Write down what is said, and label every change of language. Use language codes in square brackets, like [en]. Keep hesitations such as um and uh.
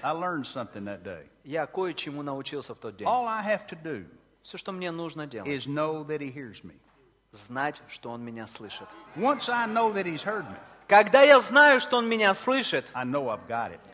[en] Is, I [ru] Я кое-чему научился в тот день. [en] All I have to do [ru] Все, что мне нужно делать, [en] is know that he hears me. [ru] знать, что он меня слышит. [en] Once I know that he's heard me, [ru] Когда я знаю, что он меня слышит, [en] I know I've got it.